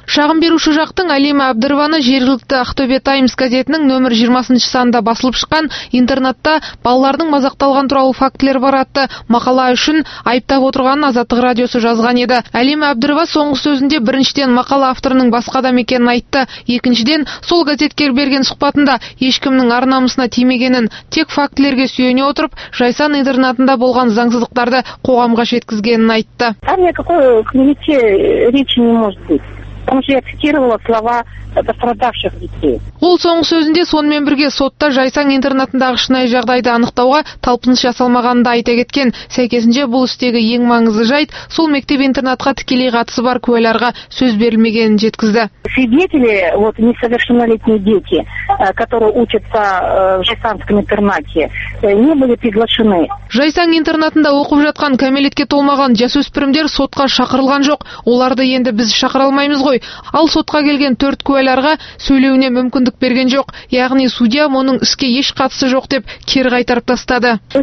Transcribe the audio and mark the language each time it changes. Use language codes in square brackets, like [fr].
[kk] Шағым беруші жақтың Алима Абдірованы жергілікті Ақтөбе Таймс газетінің нөмір 20-ші санында басылып шыққан интернатта балалардың мазақталған туралы фактілер бар атты мақала үшін айыптап отырғанын Азаттық радиосы жазған еді. Алима Абдірова соңғы сөзінде біріншіден мақала авторының басқа адам екенін айтты. Екіншіден сол газетке берген сұхбатында ешкімнің ар намысына тимегенін, тек фактілерге сүйене отырып, Жайсаң интернатында болған заңсыздықтарды қоғамға жеткізгенін айтты. [ru] Там никакой к нимите речи не может быть. Там же я цитировала слова пострадавших детей. [kk] Ол соңғы сөзінде сонымен бірге сотта Жайсаң интернатындағы шынайы жағдайды анықтауға талпыныс жасалмағанын да айта кеткен. Сәйкесінше бұл істегі ең маңызды жайт сол мектеп интернатқа тікелей қатысы бар куәларға сөз берілмегенін жеткізді. [ru] Свидетели, вот несовершеннолетние дети, которые учатся в Жайсаңском интернате, не были приглашены. [kk] Жайсаң интернатында оқып жатқан кәмелетке толмаған жасөспірімдер сотқа шақырылған жоқ. Оларды енді біз шақыра алмаймыз ғой. Ал сотқа келген 4 куәларға сөйлеуіне мүмкіндік берген жоқ, яғни судья оның іске еш қатысы жоқ деп кері қайтарып тастады.